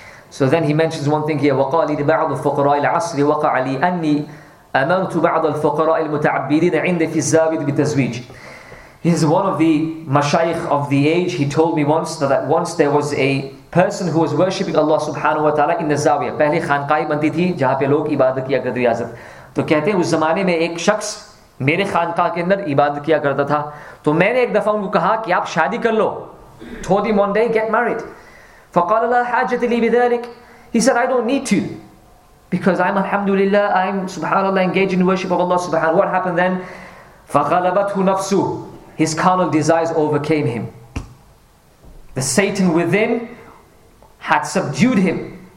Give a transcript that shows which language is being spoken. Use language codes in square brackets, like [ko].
[en] So then he mentions one thing here, [ar] وَقَالِ لِبَعْضُ الْفُقَرَاءِ الْعَصْرِ وَقَعَ لِي أَنِّي أَمَرْتُ بَعْضَ الْفُقَرَاءِ الْمُتَعَبِّدِينَ عِنْدِ فِي الزَّابِدِ بِتَزْوِيجِ. [en] He is one of the mashayikh of the age. He told me once that once there was a person who was worshipping Allah subhanahu wa ta'ala in the Zawiya. [ur] پہلے خانقاہیں بنتی تھی، جہاں پے لوگ عبادت کیا کرتے ریاضت۔ تو کہتے ہیں، اس زمانے میں ایک شخص میرے خانقاہ کے اندر عبادت کیا کرتا تھا۔ تو میں نے ایک دفعہ ان کو کہا کہ آپ شادی کر لو۔ [en] Told him one day, get married. [ar] فَقَالَ لَا حَاجَةِ لِي بِذَلِكَ. [en] He said, I don't need to. Because I'm alhamdulillah, I'm subhanallah engaged in worship of Allah subhanahu wa ta'ala. What happened then? [ar] فَغَلَبَتْهُ نَفْسُهُ. [en] His carnal desires overcame him. The Satan within had subdued him.